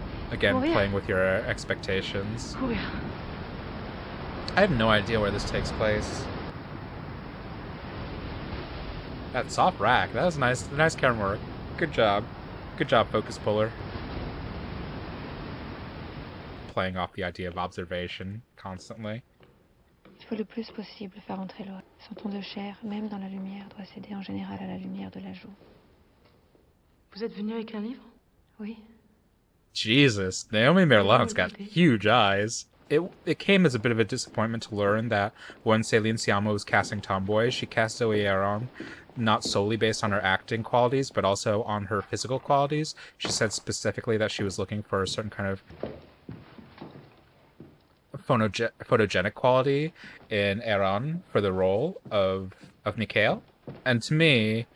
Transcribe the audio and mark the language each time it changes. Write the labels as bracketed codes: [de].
[en] Again, playing with your expectations. I have no idea where this takes place. That soft rack, that was nice. Nice camera work. Good job. Good job, focus puller. Playing off the idea of observation constantly. [fr] Il faut le plus possible faire entrer l'eau. Son ton de chair, même dans la lumière, doit céder en général à la lumière de la joue. Vous êtes venu avec un livre? Oui. [en] Jesus, Naomi Merlant's got huge eyes. It came as a bit of a disappointment to learn that when Céline Sciamma was casting Tomboy, she cast Zoe Aron not solely based on her acting qualities, but also on her physical qualities. She said specifically that she was looking for a certain kind of photogenic quality in Aron for the role of Mikhail. And to me,